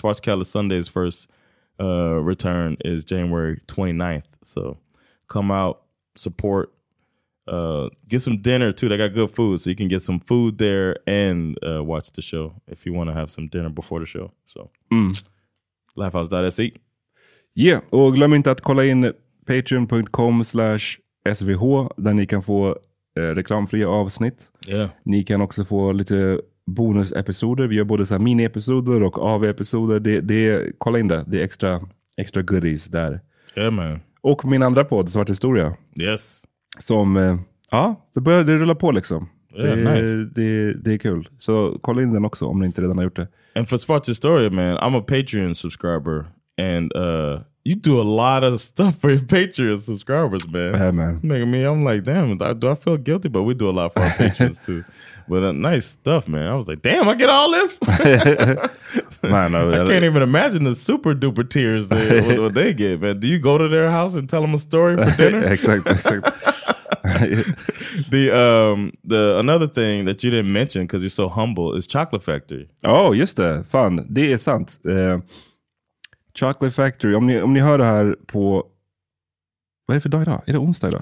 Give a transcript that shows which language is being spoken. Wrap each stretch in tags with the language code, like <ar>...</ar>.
<en>Schwarzkeller Sunday's first return is January 29th. So come out, support, get some dinner too. They got good food, so you can get some food there and watch the show if you want to have some dinner before the show. So laughhouse.se.</en> <sv>Yeah, och glöm inte att kolla in patreon.com/svh där ni kan få reklamfria avsnitt.</sv> <en>Yeah.</en> <sv>Ni kan också få lite bonusepisoder. Vi gör både så här mini-episoder och AV-episoder. Det kolla in det. Det är extra goodies där.</sv> <en>Yeah, man.</en> <sv>Och min andra podd, Svart Historia.</sv> <en>Yes.</en> <sv>Som, ja, det börjar rulla på liksom.</sv> <en>Yeah,</en> <sv>det,</sv> <en>nice.</en> <sv>Det är kul. Så kolla in den också om ni inte redan har gjort det.</sv> <en>And for Svart Historia, man, I'm a Patreon subscriber. And you do a lot of stuff for your Patreon subscribers, man. Yeah, man. Making me, I'm like, damn, do I feel guilty? But we do a lot for our patrons too. But nice stuff, man. I was like, damn, I get all this? I can't even imagine the super duper tears what they get, man. Do you go to their house and tell them a story for dinner? Exactly. The another thing that you didn't mention because you're so humble is Chocolate Factory.</en> <sv>Oh, just det. Fan, det är sant. Chocolate Factory, om ni hör det här på, vad är det för dag idag? Är det onsdag idag?</sv>